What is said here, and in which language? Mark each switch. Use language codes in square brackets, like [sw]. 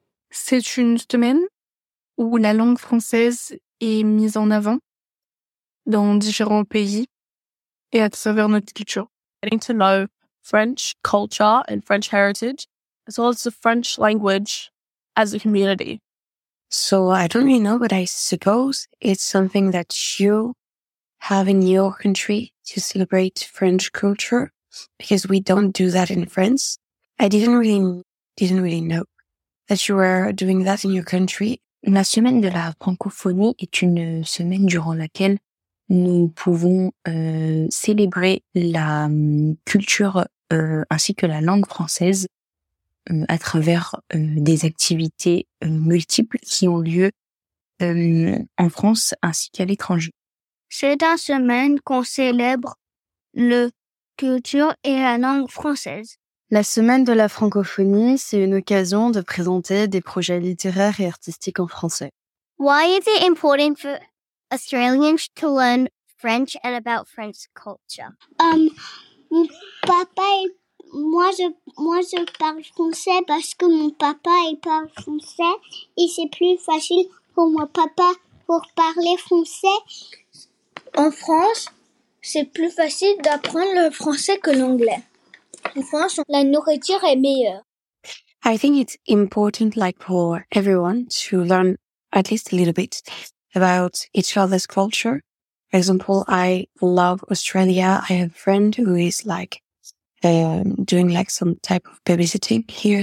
[fr] C'est une semaine où la langue française est mise en avant dans différents pays et à travers notre culture. [en] Getting to know French culture and French heritage, as well as the French language as a community. So I don't really know, but I suppose it's something that you have in your country to celebrate French culture, because we don't do that in France. I didn't really know that you were doing that in your country. [fr] La semaine de la francophonie est une semaine durant laquelle nous pouvons célébrer la culture ainsi que la langue française à travers des activités multiples qui ont lieu en France ainsi qu'à l'étranger. C'est une semaine qu'on célèbre la culture et la langue française. La semaine de la francophonie, c'est une occasion de présenter des projets littéraires et artistiques en français. [en] Why is it important for Australians to learn French and about French culture? [fr] Mon papa et moi je parle français parce que mon papa il parle français et c'est plus facile pour mon papa pour parler français. En France, c'est plus facile d'apprendre le français que l'anglais. En France, la nourriture est meilleure. [en] I think it's important, like for everyone, to learn at least a little bit about each other's culture. For example, I love Australia. I have a friend who is like doing like some type of babysitting here.